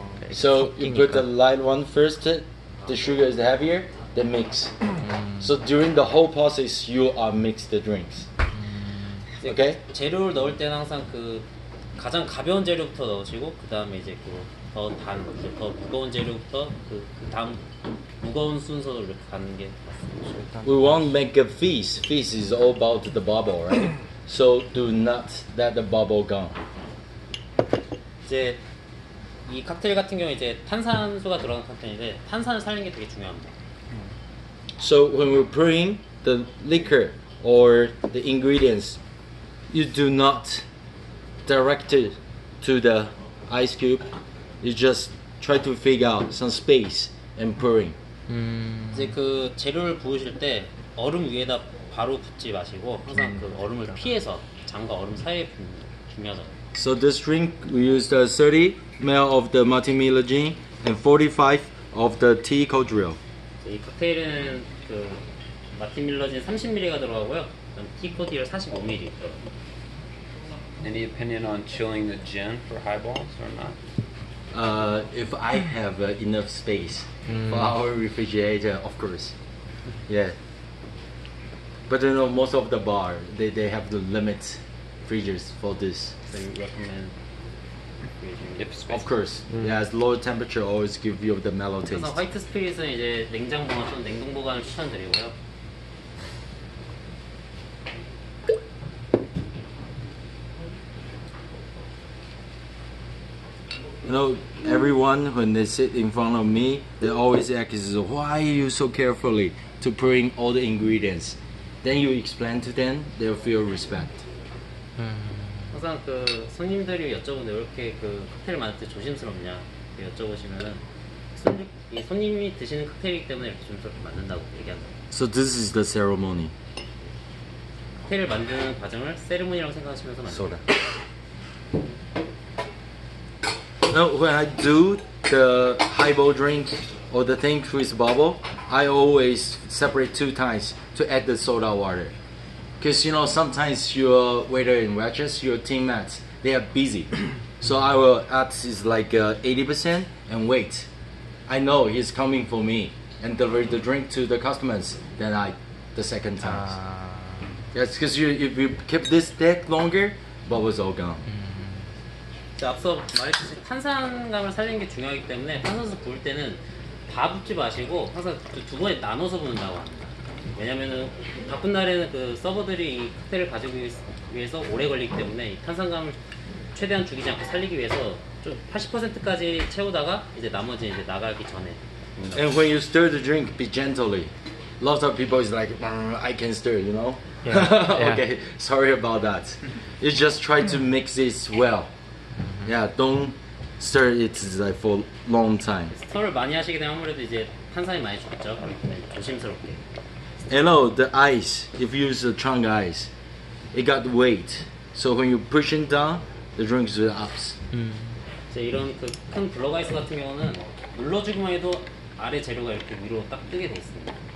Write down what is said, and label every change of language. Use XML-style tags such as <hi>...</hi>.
<en>So you put the light one first, the sugar is heavier, then mix. So during the whole process, you are mix the drinks. Okay?</en> <ko>재료를 넣을 때는 항상 그 가장 가벼운 재료부터 넣으시고 그 다음에 이제 그 더 단, 더 무거운 재료부터 그 다음 무거운 순서로 이렇게 가는 게</ko> <en>We won't make a fizz. Fizz is all about the bubble, right? So do not let the bubble gone.</en> <ko>이제 이 칵테일 같은 경우 이제 탄산수가 들어간 칵테일인데 탄산을 살리는 게 되게 중요합니다.</ko> <en>So when we bring the liquor or the ingredients, you do not direct it to the ice cube. You just try to figure out some space and pouring.</en> <ko>이제 그 재료를 부으실 때 얼음 위에다 바로 붓지 마시고 항상 그 얼음을 피해서 장과 얼음 사이에 붓는 게 중요하죠.</ko> <en>So this drink, we used 30 ml of the Martin-Miller gin and 45 of the tea cordial.</en> <ko>이 칵테일은 그 마틴밀러 gin 30ml가 들어가고요. 그럼 tea cordial 45ml.</ko> <en>Any opinion on chilling the gin for highballs or not? If I have enough space for our refrigerator, of course. Yeah. But you know, most of the bar, they have the limit fridges for this. They recommend. Of course, yeah. As lower temperature always give you the mellow taste.</en> <ko>그래서 화이트 스피릿은 이제 냉장 보관 좀 냉동 보관을 추천드리고요.</ko> <en>You know, everyone when they sit in front of me, they always ask, "Why are you so carefully to bring all the ingredients?" Then you explain to them, they'll feel respect.</en> <ko>항상 그 손님들이 여쭤보는데 왜 이렇게 그 칵테일 만들 때 조심스럽냐 여쭤보시면은 손님이 드시는 칵테일이기 때문에 이렇게 조심스럽게 만든다고 얘기한다.</ko> <en>So this is the ceremony.</en> <ko>칵테일을 만드는 과정을 세리머니라고 생각하시면서 만든다.</ko> <en>No, when I do the highball drink or the thing with bubble, I always separate two times to add the soda water. Because you know, sometimes your waiter and waitress, your teammates, they are busy. So I will add is like 80% and wait. I know he's coming for me and deliver the drink to the customers. Then I, the second time. That's because you, if you keep this deck longer, bubbles all gone.</en> <ko>앞서 말했듯이 탄산감을 살리는 게 중요하기 때문에 탄산수 부을 때는 다 붓지 마시고 항상 두 번에 나눠서 부는다고 합니다. 왜냐면은 바쁜 날에는 그 서버들이 이 칵테일을 가지기 위해서 오래 걸리기 때문에 이 탄산감을 최대한 죽이지 않고 살리기 위해서 좀 80%까지 채우다가 이제 나머지 이제 나가기 전에.</ko> <en>And when you stir the drink, be gently. Lots of people is like, I can stir, you know? Yeah. Yeah. Okay, sorry about that. You just try to mix this well. Yeah, don't stir it like for long time.</en> <ko>Stir을 많이 하시게 되면 아무래도 이제 탄산이 많이 죽죠. 조심스럽게.</ko> <en>Hello, the ice. If you use the trunk ice, it got weight. So when you push it down, the drink is ups.</en> <ko>이제 이런 그 큰 블럭 아이스 같은 경우는 눌러주기만 해도 아래 재료가 이렇게 위로 딱 뜨게 돼 있습니다.</ko>